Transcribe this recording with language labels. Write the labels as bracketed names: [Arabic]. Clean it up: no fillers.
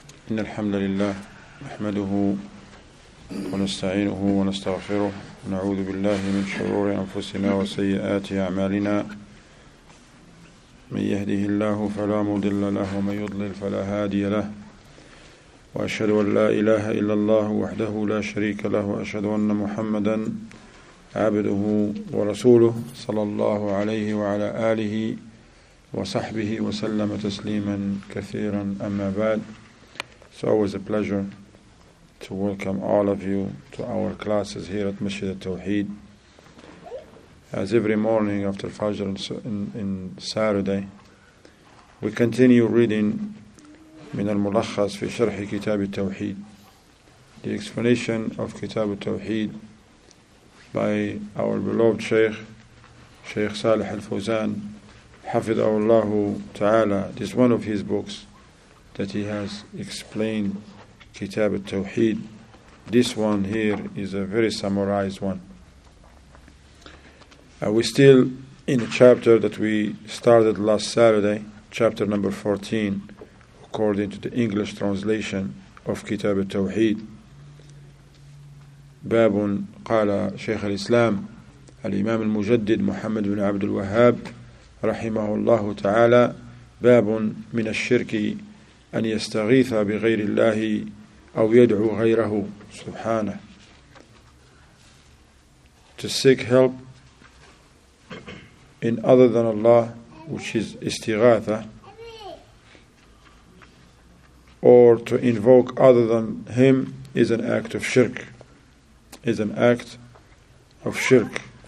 [Arabic] إن الحمد لله نحمده ونستعينه ونستغفره ونعوذ بالله من شرور أنفسنا وسيئات أعمالنا، من يهده الله فلا مضل له ومن يضلل فلا هادي له، وأشهد أن لا إله إلا الله وحده لا شريك له، وأشهد أن محمدا عبده ورسوله صلى الله عليه وعلى آله وصحبه وسلم تسليما كثيرا. أما بعد، [English] it's always a pleasure to welcome all of you to our classes here at Masjid al-Tawheed. As every morning after Fajr in Saturday, we continue reading من الملخص في شرح كتاب التوحيد, the explanation of كتاب التوحيد by our beloved Shaykh, Shaykh Salih al-Fawzan, [Arabic] حفظه الله تعالى. [English] This is one of his books that he has explained كتاب التوحيد. This one here is a very summarized one. We're still in a chapter that we started last Saturday, chapter number 14, according to the English translation of كتاب التوحيد. [Arabic] باب قال شيخ الإسلام الإمام المجدد محمد بن عبد الوهاب رحمه الله تعالى, باب من الشرك أن يستغيث بغير الله أو يدعو غيره سبحانه. [English] To seek help in other than Allah, which is istighatha, or to invoke other than Him, is an act of shirk. Is an act of shirk.